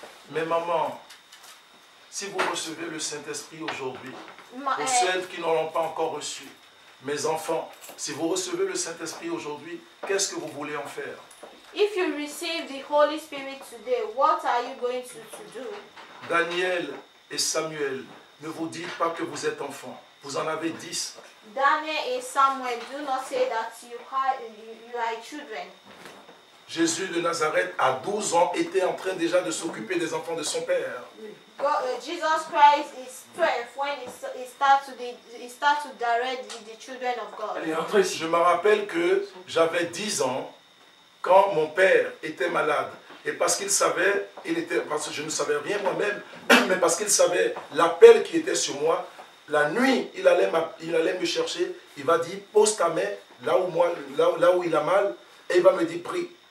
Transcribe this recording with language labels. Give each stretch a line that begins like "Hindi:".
French: Mais maman, si vous recevez le Saint-Esprit aujourd'hui, pour celles qui ne l'ont pas encore reçu, mes enfants, si vous recevez le Saint-Esprit aujourd'hui, qu'est-ce que vous voulez en faire?
English: If you receive the Holy Spirit today, what are you going to do?
French: Daniel et Samuel, ne vous dites pas que vous êtes enfants. Vous en avez 10.
English: Daniel et Samuel, do not say that you are children.
French: Jésus de Nazareth à 12 ans était en train déjà de s'occuper des enfants de son père.
English: Jesus Christ is 12 when he starts to direct the children of God.
French: Et après, je me rappelle que j'avais 10 ans quand mon père était malade. Et parce qu'il savait, parce que je ne savais rien moi-même, mais parce qu'il savait l'appel qui était sur moi, la nuit, il allait me chercher, il va dire, pose ta main là où il a mal, et il va me dire, prie.